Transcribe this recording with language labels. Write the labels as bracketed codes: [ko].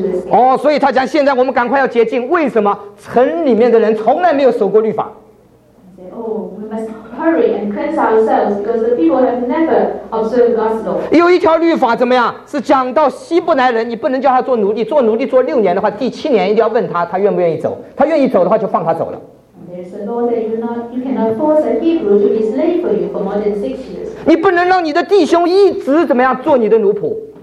[zh] 哦，所以他讲现在我们赶快要洁净，为什么城里面的人从来没有守过律法？ [en] 哦， we must hurry and cleanse ourselves because the people have never observed God's law. [zh] 有一条律法怎么样？是讲到希伯来人，你不能叫他做奴隶，做奴隶做六年的话，第七年一定要问他，他愿不愿意走？他愿意走的话，就放他走了。 [en] There's a law that you cannot force a Hebrew to be slave for you for more than 6 years. [zh] 你不能让你的弟兄一直怎么样做你的奴仆？